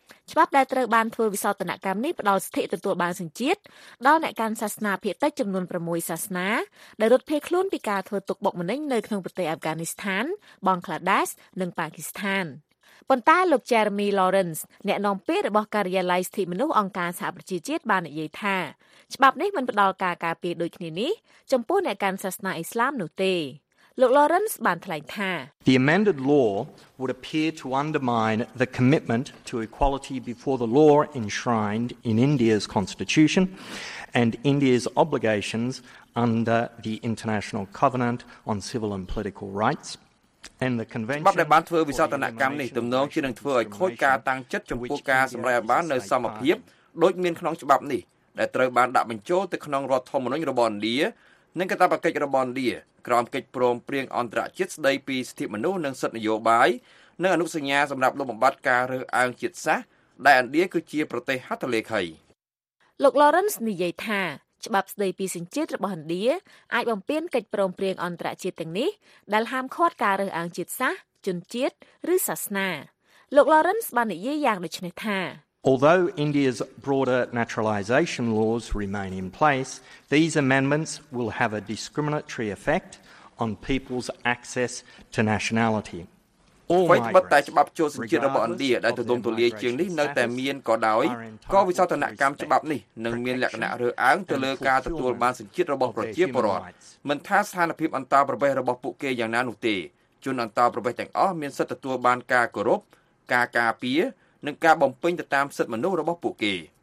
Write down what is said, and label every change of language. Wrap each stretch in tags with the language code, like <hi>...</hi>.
<km>ច្បាប់ដែលត្រូវបានធ្វើវិសោធនកម្មនេះផ្ដល់សិទ្ធិទទួលបានសិទ្ធិជាតិដល់អ្នកកាន់សាសនាភៀតតិចចំនួន6សាសនាដែលរត់ភៀសខ្លួនពីការធ្វើទុកបុកម្នេញនៅក្នុងប្រទេសអាហ្វហ្គានីស្ថានបង់ក្លាដេសនិងប៉ាគីស្ថានប៉ុន្តែលោក Jeremy Lawrence អ្នកនាំពាក្យរបស់ការិយាល័យសិទ្ធិមនុស្សអង្គការសហប្រជាជាតិបាននិយាយថាច្បាប់នេះមិនផ្តល់ការការពារដូចគ្នានេះចំពោះអ្នកកាន់សាសនាអ៊ីស្លាមនោះទេលោក Lawrence បានថ្លែងថា</km> <en>The amended law would appear to undermine the commitment to equality before the law enshrined in India's constitution and India's obligations under the International Covenant on Civil and Political Rights.</en> <km>បាត់ដែលបានធ្វើវិសោធនកម្មនេះទំនងជានឹងធ្វើឲ្យខូចការតាំងចិត្តចំពោះការសម្រេចបាននៅសមភាពដូចមានក្នុងច្បាប់នេះដែលត្រូវបានដាក់បញ្ចូលទៅក្នុងរដ្ឋធម្មនុញ្ញរបស់ឥណ្ឌានិងកាតព្វកិច្ចរបស់ឥណ្ឌាក្រោមកិច្ចព្រមព្រៀងអន្តរជាតិស្តីពីសិទ្ធិមនុស្សនិងសិទ្ធិនយោបាយនិងអនុសញ្ញាសម្រាប់លុបបំបាត់ការរើសអើងជាតិសាសន៍ដែលឥណ្ឌាគឺជាប្រទេសហត្ថលេខី លោក Lawrence និយាយថាច្បាប់ស្តីពីសិទ្ធិជាតិរបស់ឥណ្ឌាអាចបំពានកិច្ចព្រមព្រៀងអន្តរជាតិទាំងនេះដែលហាមឃាត់ការរើសអើងជាតិសាសន៍ជនជាតិឬសាសនាលោក Lawrence បាននិយាយយ៉ាងដូចនេះថា</km> <en>Although India's broader naturalization laws remain in place, these amendments will have a discriminatory effect on people's access to nationality.</en> <km>អ្វីបើតែច្បាប់ចូលសិទ្ធិជាតិរបស់ឥណ្ឌាដែលទទួលទូលាយជាងនេះនៅតែមានក៏ដោយក៏វិសោធនកម្មច្បាប់នេះនឹងមានលក្ខណៈរើសអើងទៅលើការទទួលបានសិទ្ធិជាតិរបស់ប្រជាពលរដ្ឋមិនថាស្ថានភាពអន្តរប្រទេសរបស់ពួកគេយ៉ាងណានោះទេជនអន្តរប្រទេសទាំងអស់មានសិទ្ធិទទួលបានការគោរពការការពារនិងការបំពេញទៅតាមសិទ្ធិមនុស្សរបស់ពួកគេ</km>